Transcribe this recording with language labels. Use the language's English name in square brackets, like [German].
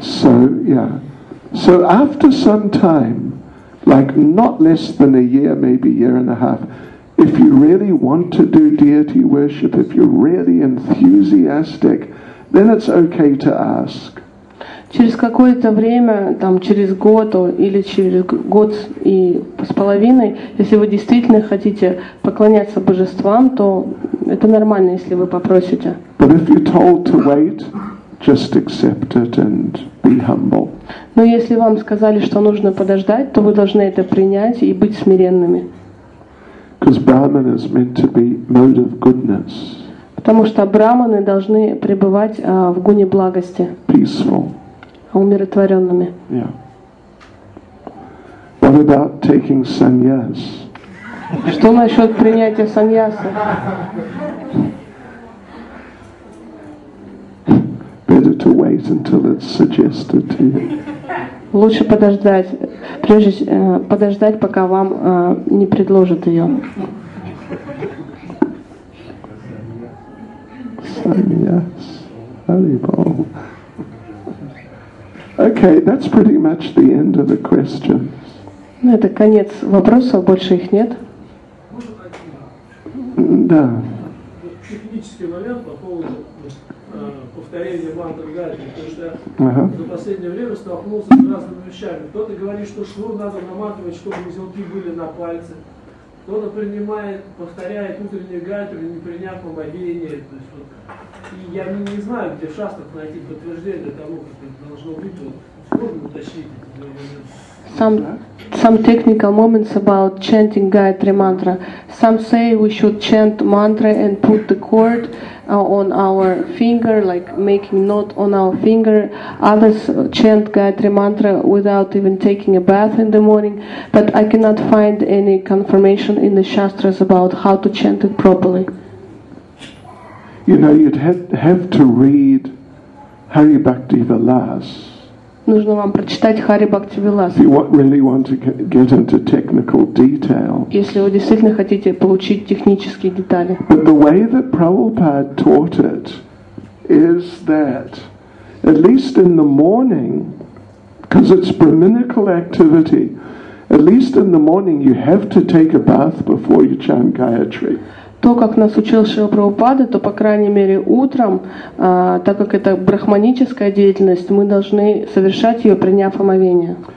[English] So, yeah. So after some time, like not less than a year, maybe year and a half, if you really want to do deity worship, if you're really enthusiastic, then it's okay to ask. [Russian] Через какое-то время, там через год или через год и с половиной, если вы действительно хотите поклоняться божествам, то это нормально, если вы попросите. [English] But if you're told to wait, just accept it and be humble. [Russian] Но если вам сказали, что нужно подождать, то вы должны это принять и быть смиренными. [English] Because Brahman is meant to be mode of goodness. [Russian] Потому что брахманы должны пребывать в гуне благости. [English] Peaceful. [Russian] Умиротворенными. [English] Yeah. What about taking sannyas? [Russian] Что насчет принятия саньяса? [English] Better to wait until it's suggested to you. [Russian] Лучше подождать, прежде подождать, пока вам не предложат ее. Саньяс. Харибол. [English] Okay, that's pretty much the end of the questions. [Russian] Ну, это конец вопросов, больше их нет. Да. Технический момент по поводу повторения мантры Гайдри, потому что я за последнее время столкнулся с разными вещами. Кто-то говорит, что шнур надо наматывать, чтобы узелки были на пальце. Кто-то принимает, повторяет утренний Гайдри, не приняв помогение. То есть, вот, и я не знаю, где в шастрах найти подтверждение того, как это должно быть. Вот, сложно утащить эти моменты. [English] Some technical moments about chanting Gayatri Mantra. Some say we should chant mantra and put the cord on our finger, like making knot on our finger. Others chant Gayatri Mantra without even taking a bath in the morning. But I cannot find any confirmation in the Shastras about how to chant it properly. You know, you'd have to read Hari Bhakti Vilas. [Russian] нужно вам прочитать Хари Бхакти Виласа. [English] If you really want to get into technical detail. [Russian] Если вы действительно хотите получить технические детали. [English] But the way that Prabhupada taught it is that at least in the morning, because it's brahminical activity, at least in the morning you have to take a bath before you chant Gayatri. [Russian] То, как нас учил Шрила Прабхупада, то, по крайней мере, утром, так как это брахманическая деятельность, мы должны совершать ее, приняв омовение.